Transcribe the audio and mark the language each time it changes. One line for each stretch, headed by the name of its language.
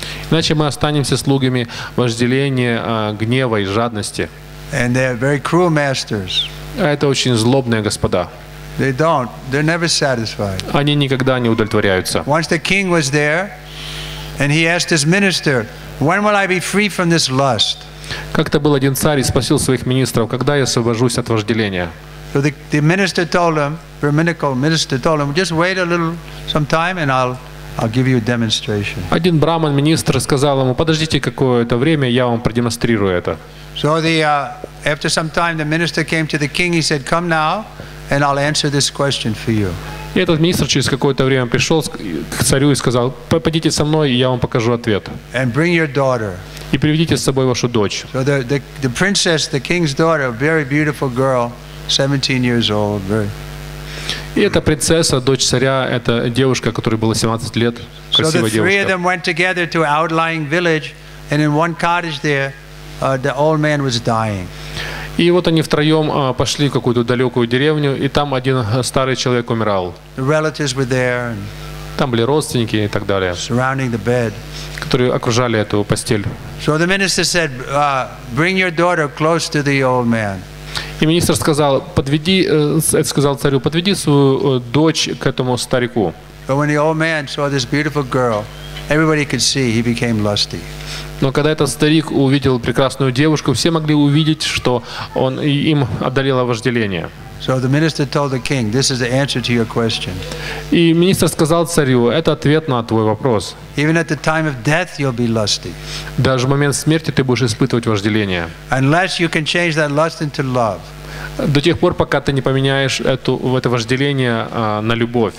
Russian: Иначе мы останемся слугами вожделения, гнева и жадности.
English: And they are very cruel masters.
Russian: Это очень злобные господа.
English: They don't. They're never satisfied.
Russian: Они никогда не удовлетворяются.
English: Once the king was there, and he asked his minister, "When will I be free from this lust?"
Russian: Как-то был один царь и спросил своих министров, когда я освобожусь от вожделения.
English: So the minister told him, Brahminical minister told him, "Just wait a little, some time, and I'll give you a demonstration."
Russian: Один браман министр сказал ему, подождите какое-то время, я вам продемонстрирую это.
English: So after some time, the minister came to the king. He said, "Come now, and I'll answer this question for you."
Russian: И этот министр через какое-то время пришел к царю и сказал: "Пойдите со мной, и я вам покажу ответ."
English: And bring your daughter.
Russian: И приведите с собой вашу дочь.
English: So the princess, the king's daughter, a very beautiful girl, 17 years old, very.
Russian: И эта принцесса, дочь царя, это девушка, которой было 17 лет, красивая девушка.
English: So the three of them went together to an outlying village, and in one cottage there. The old man was dying.
Russian: И вот они втроем пошли в какую-то далекую деревню, и там один старый человек умирал.
English: The relatives were there.
Russian: Там были родственники и так далее.
English: Surrounding the bed.
Russian: Которые окружали эту постель.
English: So the minister said, "Bring your daughter close to the old man."
Russian: И министр сказал, подведи свою дочь к этому старику.
English: But when the old man saw this beautiful girl, everybody could see he became lusty.
Russian: Но когда этот старик увидел прекрасную девушку, все могли увидеть, что он им одолело вожделение.
English: So the minister told the king, "This is the answer to your question."
Russian: И министр сказал царю, это ответ на твой вопрос.
English: Even at the time of death, you'll be lusty.
Russian: Даже в момент смерти ты будешь испытывать вожделение.
English: Unless you can change that lust into love.
Russian: До тех пор, пока ты не поменяешь это вожделение на любовь.